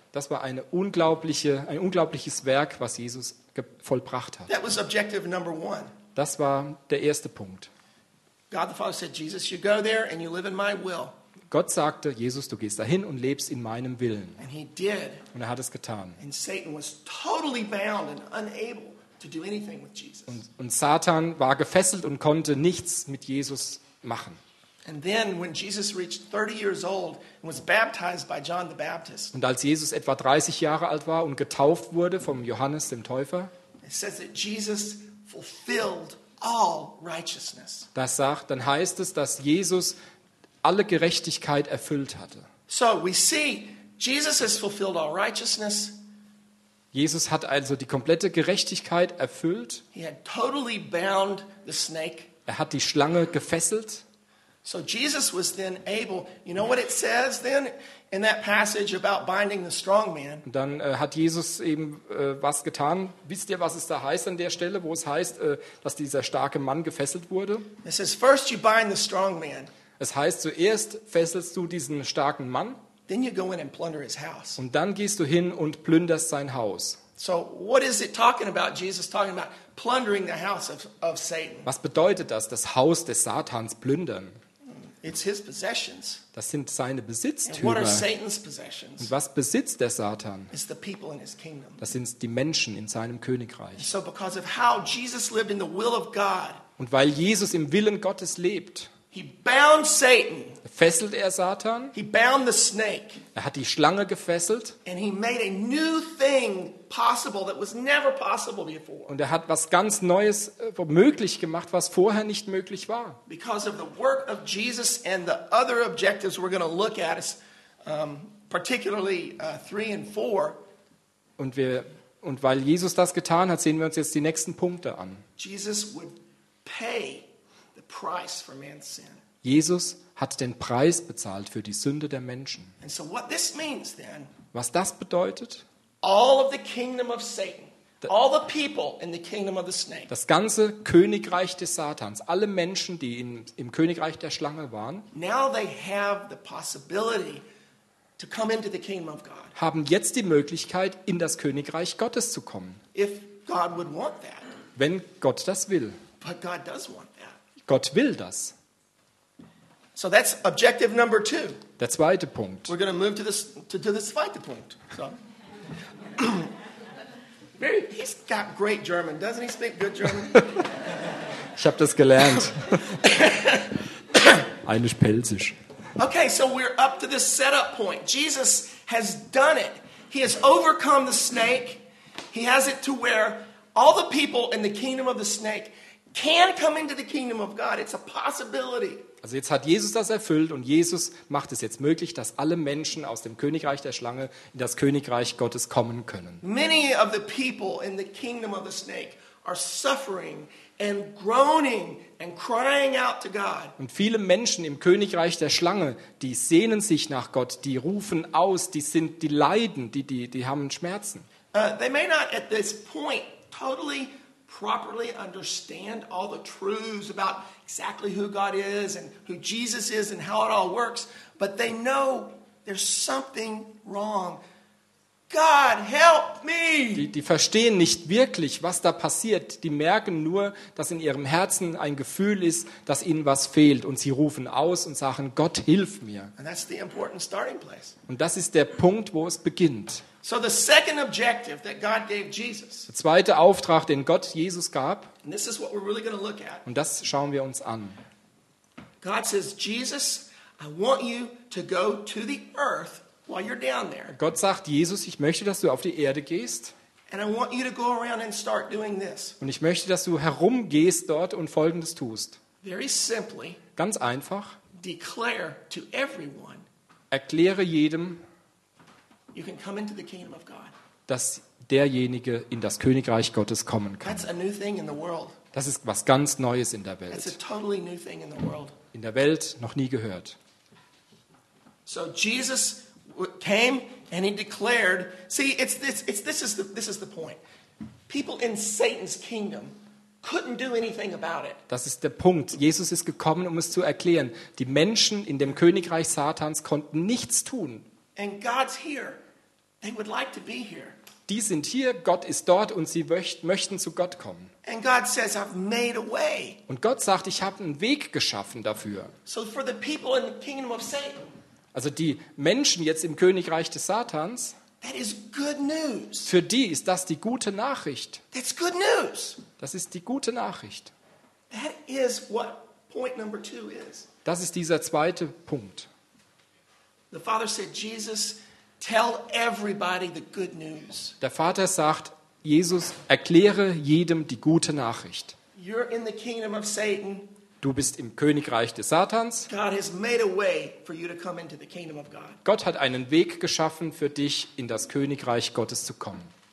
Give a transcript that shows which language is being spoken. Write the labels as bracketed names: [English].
[German] Das war ein unglaubliches Werk, was Jesus vollbracht hat. [English] That was objective number one. [German] Das war der erste Punkt. [English] God the Father said, Jesus, you go there and you live in my will. [German] Gott sagte, Jesus, du gehst dahin und lebst in meinem Willen. [English] And he did. [German] Und er hat es getan. [English] And Satan was totally bound and unable to do anything with Jesus. [German] Und Satan war gefesselt und konnte nichts mit Jesus machen. [English] And then when Jesus reached 30 years old and was baptized by John the Baptist. [German] Und als Jesus etwa 30 Jahre alt war und getauft wurde vom Johannes dem Täufer. [English] It says that Jesus fulfilled all righteousness. [German] Das sagt, dann heißt es, dass Jesus alle Gerechtigkeit erfüllt hatte. [English] So we see Jesus has fulfilled all righteousness. [German] Jesus hat also die komplette Gerechtigkeit erfüllt. [English] He had totally bound the snake. [German] Er hat die Schlange gefesselt. [English] So Jesus was then able, you know what it says then in that passage about binding the strong man? [German] Dann hat Jesus eben was getan. Wisst ihr, was es da heißt an der Stelle, wo es heißt, dass dieser starke Mann gefesselt wurde? [English] It says, first you bind the strong man. [German] Es heißt, zuerst fesselst du diesen starken Mann. [English] Then you go in and plunder his house. [German] Und dann gehst du hin und plünderst sein Haus. [English] So what is it talking about? Jesus talking about plundering the house of Satan. [German] Was bedeutet das, das Haus des Satans plündern? [English] It's his possessions. [German] Das sind seine Besitztümer. [English] And what are Satan's possessions? [German] Und was besitzt der Satan? [English] It's the people in his kingdom. [German] Das sind die Menschen in seinem Königreich. [English] And so because of how Jesus lived in the will of God. [German] Und weil Jesus im Willen Gottes lebt. [English] He bound Satan. [German] Fesselt er Satan? [English] He bound the snake. [German] Er hat die Schlange gefesselt. [English] And he made a new thing possible that was never possible before. [German] Und er hat was ganz Neues möglich gemacht, was vorher nicht möglich war. [English] Because of the work of Jesus and the other objectives we're going to look at, particularly 3 and 4. [German] Und weil Jesus das getan hat, sehen wir uns jetzt die nächsten Punkte an. [English] Jesus would pay the price for man's sin. [German] Jesus hat den Preis bezahlt für die Sünde der Menschen. [English] And so what this means then, [German] was das bedeutet? [English] All of the kingdom of Satan, all the people in the kingdom of the snake. [German] Das ganze Königreich des Satans, alle Menschen, die im Königreich der Schlange waren, [English] now they have the possibility to come into the kingdom of God. [German] Haben jetzt die Möglichkeit, in das Königreich Gottes zu kommen. [English] If God would want that. [German] Wenn Gott das will. [English] But God does want that. [German] Gott will das. [English] So that's objective number 2. [German] Der zweite Punkt. [English] We're going to move to this [German] zweite Punkt. [English] So. Very, he's got great German. Doesn't he speak good German? [German] Ich habe das gelernt. Eigentlich Pelzisch. [English] Okay, so we're up to this setup point. Jesus has done it. He has overcome the snake. He has it to where all the people in the kingdom of the snake can come into the kingdom of God. It's a possibility. [German] Also jetzt hat Jesus das erfüllt und Jesus macht es jetzt möglich, dass alle Menschen aus dem Königreich der Schlange in das Königreich Gottes kommen können. [English] Many of the people in the kingdom of the snake are suffering and groaning and crying out to God. [German] Und viele Menschen im Königreich der Schlange, die sehnen sich nach Gott, die rufen aus, die leiden, die haben Schmerzen. [English] They may not at this point totally properly understand all the truths about exactly who God is and who Jesus is and how it all works, but they know there's something wrong. God, help me! [German] Die verstehen nicht wirklich, was da passiert. Die merken nur, dass in ihrem Herzen ein Gefühl ist, dass ihnen was fehlt. Und sie rufen aus und sagen, Gott, hilf mir. [English] And that's the important starting place. [German] Und das ist der Punkt, wo es beginnt. [English] So the second objective that God gave Jesus. [German] Der zweite Auftrag, den Gott Jesus gab. [English] And this is what we're really going to look at. [German] Und das schauen wir uns an. [English] God says, Jesus, I want you to go to the earth while you're down there. [German] Gott sagt, Jesus, ich möchte, dass du auf die Erde gehst. [English] And I want you to go around and start doing this. [German] Und ich möchte, dass du herumgehst dort und Folgendes tust. [English] Very simply. [German] Ganz einfach. [English] Declare to everyone. [German] Erkläre jedem. [English] You can come into the kingdom of God. [German] Dass derjenige in das Königreich Gottes kommen kann. [English] That's a new thing in the world. [German] Das ist was ganz Neues in der Welt. [English] That's a totally new thing in the world. [German] In der Welt noch nie gehört. [English] So Jesus came and he declared. See, this is the point. People in Satan's kingdom couldn't do anything about it. [German] Das ist der Punkt. Jesus ist gekommen, um es zu erklären. Die Menschen in dem Königreich Satans konnten nichts tun. [English] And God's here. They would like to be here. [German] Die sind hier, Gott ist dort und sie möchten zu Gott kommen. [English] And God says, I've made a way. [German] Und Gott sagt, ich habe einen Weg geschaffen dafür. [English] So for the people in the kingdom of Satan. [German] Also die Menschen jetzt im Königreich des Satans. [English] That is good news. [German] Für die ist das die gute Nachricht. [English] That's good news. [German] Das ist die gute Nachricht. [English] That is what point number 2 is. [German] Das ist dieser zweite Punkt. [English] The Father said, Jesus, tell everybody the good news. [German] Der Vater sagt, Jesus, erkläre jedem die gute Nachricht. [English] You're in the kingdom of Satan. [German] Du bist im Königreich des Satans. [English] God has made a way for you to come into the kingdom of God. [German] Gott hat einen Weg geschaffen für dich, in das Königreich Gottes zu kommen.